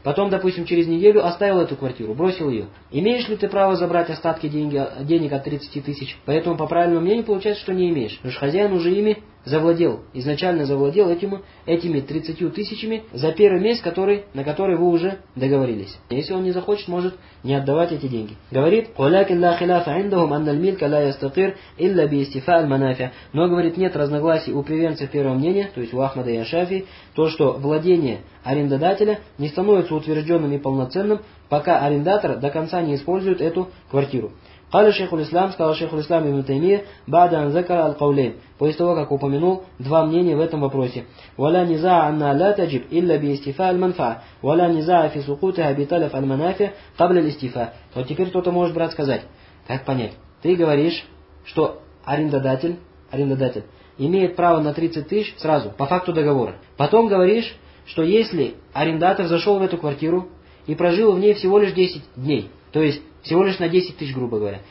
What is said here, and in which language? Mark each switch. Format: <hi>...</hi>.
<ru>Потом, допустим, через неделю оставил эту квартиру, бросил ее. Имеешь ли ты право забрать остатки денег от 30 тысяч? Поэтому, по правильному мнению, получается, что не имеешь. Потому что хозяин уже ими завладел, изначально завладел этими 30 тысячами за первый месяц, на который вы уже договорились. Если он не захочет, может не отдавать эти деньги. Говорит,</ru> <ar>وَلَكِنْ لَا خِلَافَ عِنْدَهُمْ أَنَّ الْمِلْكَ لَا يَسْتَطِرْ إِلَّا بِيَسْتِفَاءَ الْمَنَافِعَ.</ar> <ru>Но, говорит, нет разногласий у приверженцев первого мнения, то есть у Ахмада и Ашафии, то, что владение арендодателя не становится утвержденным и полноценным, пока арендатор до конца не использует эту квартиру.</ru> <ar>قال شيخ الإسلام قال شيخ الإسلام ابن تيمية بعد أن ذكر القولين</ar> <ru>после того как упомянул два мнения в этом вопросе</ru> <ar>ولا نزاع أن لا تجب إلا باستيفاء المنفعة ولا نزاع في سقوطها بتلف المنافع قبل الاستيفاء.</ar> <ru>Вот теперь кто-то может, брат, сказать, как понять? Ты говоришь, что арендодатель имеет право на 30 тысяч сразу по факту договора. Потом говоришь, что если арендатор зашел в эту квартиру и прожил в ней всего лишь 10 дней, то есть всего лишь на 10 тысяч, грубо говоря.</ru>